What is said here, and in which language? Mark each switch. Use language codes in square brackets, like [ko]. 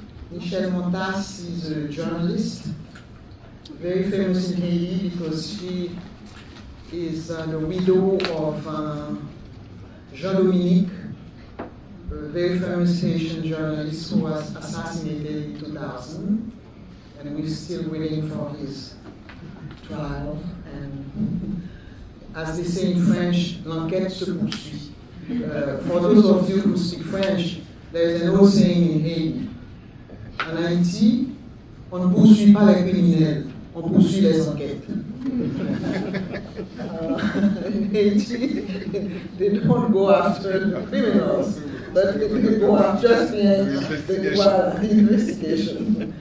[en] Michel Montas is a journalist, very famous in Haiti because she is the widow of Jean-Dominique, a very famous Haitian journalist who was assassinated in 2000, and we're still waiting for his trial. And as they say in French, [fr] l'enquête se poursuit. [en] For those of you who speak French, there is an old saying in Haiti. [fr] En Haïti, on ne poursuit pas les criminels, on poursuit les enquêtes. [en] Haiti, they don't go after the criminals, but they go after just the investigation.